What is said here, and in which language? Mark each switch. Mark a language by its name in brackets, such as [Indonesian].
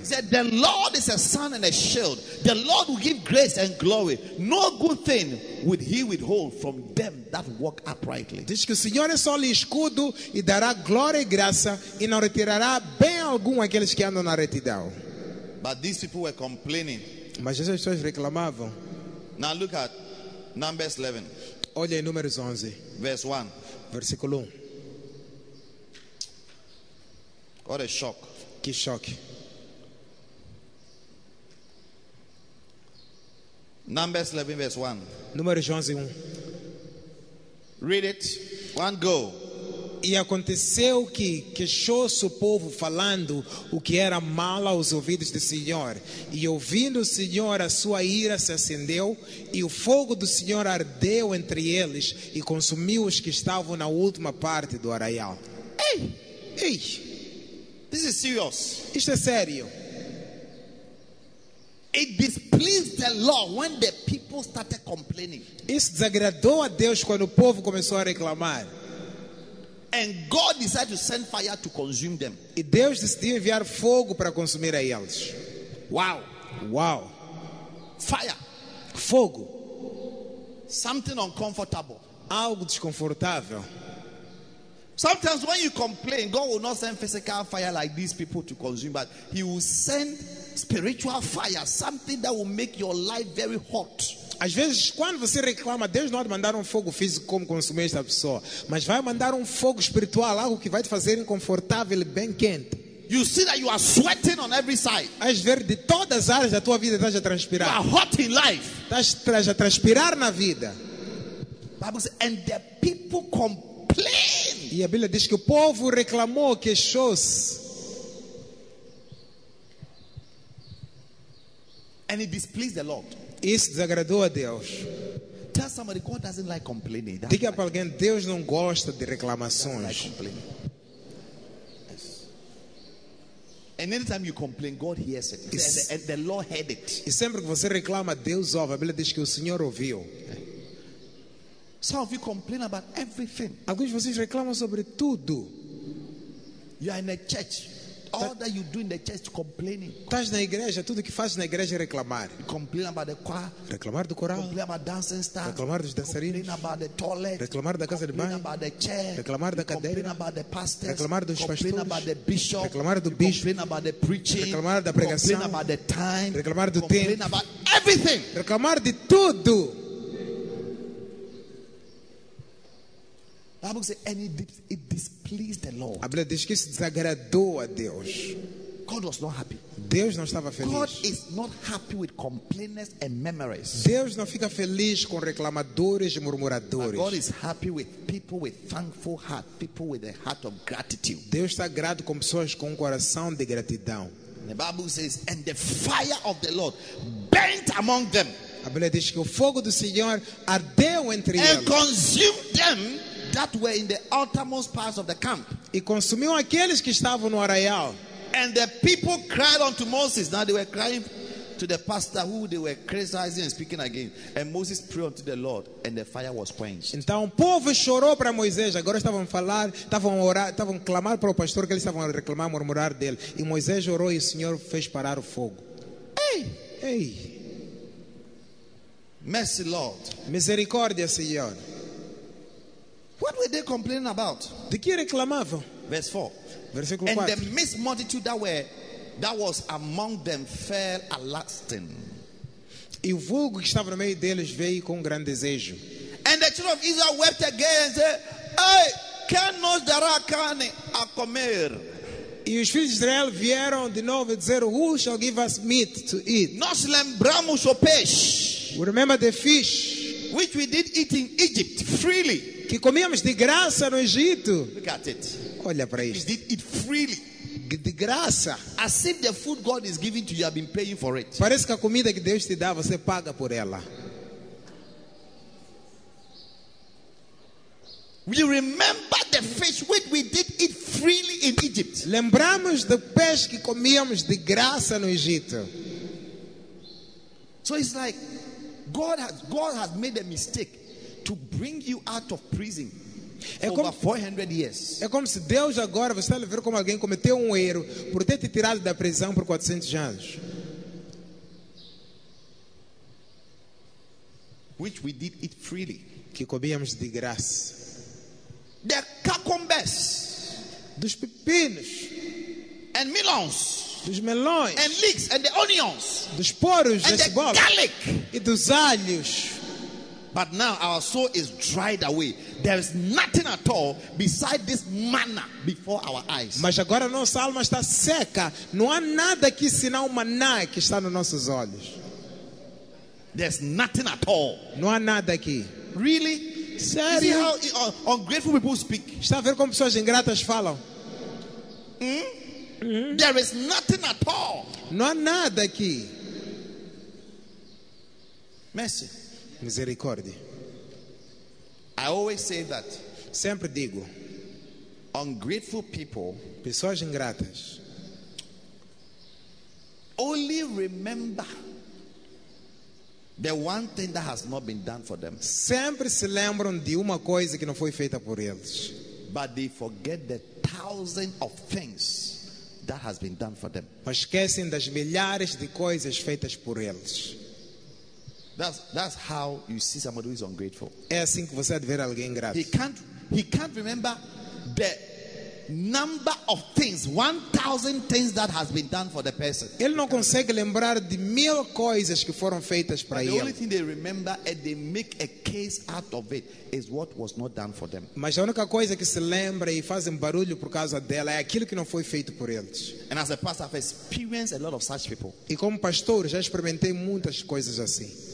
[English] He said, the Lord is a sun and a shield. The Lord will give grace and glory. No good thing would he withhold from them that walk uprightly. [Portuguese] Diz que o Senhor é sol e escudo e dará glória e graça e não retirará bem algum aqueles que andam na retidão. [English] But these people were complaining. [Portuguese] Mas essas pessoas reclamavam. [English] Now look at Numbers 11. [Portuguese] Olha em Números 11. [English] Verse 1. [Portuguese] Versículo 1. [English] What a shock. [Portuguese] Que choque. [English] Numbers 11 verse 1. [Portuguese] Números 11, 1. [English] Read it. One go. [Portuguese] E aconteceu que queixou-se o povo falando o que era mal aos ouvidos do Senhor. E ouvindo o Senhor, a sua ira se acendeu, e o fogo do Senhor ardeu entre eles e consumiu os que estavam na última parte do arraial. Ei! Ei! [English] This is serious. [Portuguese] Isto é sério. [English] It displeased the Lord when the people started complaining. [Portuguese] Isso desagradou a Deus quando o povo começou a reclamar. [English] And God decided to send fire to consume them. [Portuguese] E Deus decidiu enviar fogo para consumir a eles. Wow. Wow. [English] Fire. [Portuguese] Fogo. [English] Something uncomfortable. [Portuguese] Algo desconfortável. [English] Sometimes when you complain, God will not send physical fire like these people to consume, but he will send spiritual fire, something that will make your life very hot. [Portuguese] Às vezes, quando você reclama, Deus não vai mandar fogo físico como consumir esta pessoa, mas vai mandar fogo espiritual, algo que vai te fazer inconfortável e bem quente. [English] You see that you are sweating on every side. [Portuguese] Às vezes, de todas as áreas da tua vida, estás a transpirar. [English] You are hot in life. [Portuguese] Estás a transpirar na vida. [English] Bible says, and the people complain. [Portuguese] E a Bíblia diz que o povo reclamou, queixou-se. [English] And it displeased the Lord. [Portuguese] Isso desagradou a Deus. [English] Tell somebody, God doesn't like complaining. [Portuguese] That's Diga para alguém, Deus não gosta de reclamações. [English] Like complaining. Yes. And anytime you complain, God hears it. And the Lord heard it. [Portuguese] E sempre que você reclama, Deus ouve. A Bíblia diz que o Senhor ouviu. [English] Some of you complain about everything. [Portuguese] Alguns de vocês reclamam sobre tudo. [English] You are in a church. All that you do in the church complaining. [Portuguese] Estás na igreja, tudo que fazes na igreja é reclamar. [English] Complain about the choir. [Portuguese] Reclamar do coral. [English] Complain about dancing staff. [Portuguese] Reclamar dos dançarinos. [English] Complain about the toilet. [Portuguese] Reclamar da casa de banho. [English] Complain about the chair. [Portuguese] Reclamar da cadeira. [English] Complain about the pastors. [Portuguese] Reclamar dos pastores. [English] Complain about the bishop. [Portuguese] Reclamar do bispo. [English] Complain about the preaching. [Portuguese] Reclamar da pregação. [English] Complain about the time. [Portuguese] Reclamar do tempo. [English] Complain about everything. [Portuguese] Reclamar de tudo. A Bíblia diz, [English] and it displeased the Lord. [Portuguese] A Bíblia diz que isso desagradou a Deus. [English] God was not happy. [Portuguese] Deus não estava feliz. [English] God is not happy with complainers and murmurers. [Portuguese] Deus não fica feliz com reclamadores e murmuradores. [English] God is happy with people with thankful heart, people with a heart of gratitude. [Portuguese] Deus está grato com pessoas com um coração de gratidão. [English] The Bible says, and the fire of the Lord burnt among them. [Portuguese] A Bíblia diz que o fogo do Senhor ardeu entre eles. [English] And consumed them that were in the outermost parts of the camp. [Portuguese] E consumiu aqueles que estavam no arraial. [English] And the people cried unto Moses. Now they were crying to the pastor who they were criticizing and speaking against. And Moses prayed unto the Lord, and the fire was quenched. [Portuguese] Então o povo chorou para Moisés. Agora estavam a falar, estavam a orar, estavam a clamar para o pastor, que eles estavam a reclamar, a murmurar dele. E Moisés orou e o Senhor fez parar o fogo. Ei! Ei! [English] Mercy, Lord. [Portuguese] Misericórdia, Senhor. [English] What were they complaining about? [Portuguese] De que reclamavam? [English] Verse 4. [Portuguese] Versículo [English] and 4. The mixed multitude that was among them fell a lasting. [Portuguese] E o vulgo que estava no meio deles veio com um grande desejo. [English] And the children of Israel wept again and said, can [Portuguese] nos dará carne a comer? E os filhos de Israel vieram de novo e disseram, [English] who shall give us meat to eat? [Portuguese] Nós lembramos o peixe. [English] We remember the fish which we did eat in Egypt freely. [Portuguese] Que comíamos de graça no Egito. [English] Look at it. [Portuguese] Olha para isso. [English] We did eat freely. [Portuguese] De graça. [English] As if the food God is giving to you have been paying for it. [Portuguese] Parece que a comida que Deus te dá, você paga por ela. [English] We remember the fish which we did eat freely in Egypt. [Portuguese] Lembramos do peixe que comíamos de graça no Egito. [English] So it's like God has made a mistake to bring you out of prison for 400 years. [Portuguese] É como se Deus agora você está a ver como alguém cometeu um erro por ter te tirado da prisão por 400 anos. [English] Which we did eat freely. [Portuguese] Que comíamos de graça. [English] The cucumbers. [Portuguese] Dos pepinos. [English] And melons. [Portuguese] Dos melões. [English] And leeks and the onions. [Portuguese] Dos poros, [English] and the bolo. Garlic. [Portuguese] E dos alhos. [English] But now our soul is dried away. There is nothing at all beside this manna before our eyes. [Portuguese] Mas agora nossa alma está seca. Não há nada aqui senão maná que está nos nossos olhos. [English] There's nothing at all. [Portuguese] Não há nada aqui. [English] Really? [Portuguese] Sério? [English] See how ungrateful people speak. [Portuguese] Está a ver como pessoas ingratas falam? [English] There is nothing at all. [Portuguese] Não há nada aqui. [English] Mercy. [Portuguese] Misericórdia. [English] I always say that. [Portuguese] Sempre digo. [English] Ungrateful people. [Portuguese] Pessoas ingratas. [English] Only remember the one thing that has not been done for them. [Portuguese] Sempre se lembram de uma coisa que não foi feita por eles. [English] But they forget the thousands of things that has been done for them. [Portuguese] Mas esquecem das milhares de coisas feitas por eles. [English] That's how you see somebody who is ungrateful. [Portuguese] É assim que você vê alguém ingrato. [English] He can't remember the number of things, 1,000 things that has been done for the person. [Portuguese] Ele não consegue lembrar de mil coisas que foram feitas para ele. [English] The only thing they remember and they make a case out of it is what was not done for them. [Portuguese] Mas a única coisa que se lembra e fazem barulho por causa dela é aquilo que não foi feito por eles. [English] And as a pastor, I've experienced a lot of such people. [Portuguese] E como pastor, já experimentei muitas coisas assim.